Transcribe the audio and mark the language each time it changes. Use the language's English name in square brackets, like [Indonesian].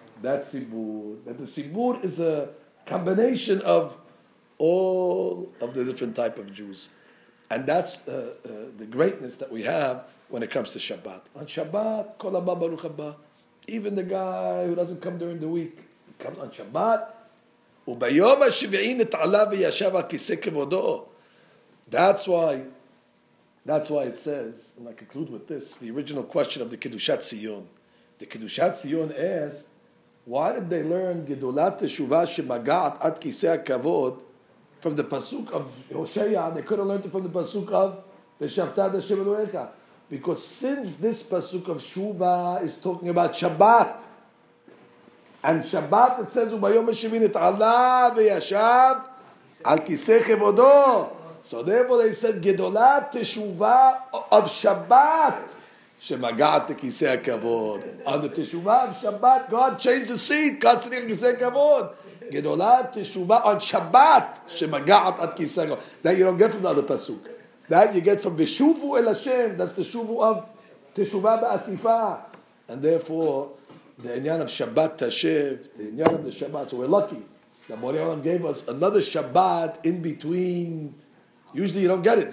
[English] That's Sibur. That the Sibur is a combination of all of the different type of Jews. And that's the greatness that we have when it comes to Shabbat. On Shabbat, Kol Abba Baruch Abba. Even the guy who doesn't come during the week, he comes on Shabbat. [Hebrew] וביום השביעי נתעלה וישב על כיסא כבודו. [English] That's why it says, and I conclude with this, the original question of the Kedushat Zion. The Kedushat Zion asks, why did they learn [Hebrew] גדולת תשובה שמגעת עד כיסא הכבוד [English] from the Pasuk of Hosea? They could have learned it from the Pasuk of [Hebrew] ושבת עד השם אלוהיך. [English] Because since this Pasuk of Shuva is talking about Shabbat, and Shabbat it says, [Hebrew] וביום השביעי נתעלה וישב על כיסא כבודו. [English] So therefore they said, [Hebrew] גדולה תשובה [English] of Shabbat, [Hebrew] שמגעת כיסא הכבוד. [English] On the תשובה of Shabbat, God changed the seat, God sitting on [Hebrew] כיסא הכבוד. גדולה תשובה [English] on Shabbat, [Hebrew] שמגעת עד כיסא הכבוד. [English] That you don't get from the other Pasuk. That you get from Vishuvu El Hashem, that's the Shuvu of Teshuvah Ba'asifa. And therefore, the Inyan of Shabbat Tashiv, the Inyan of the Shabbat, so we're lucky. The Borei Olam gave us another Shabbat in between. Usually you don't get it.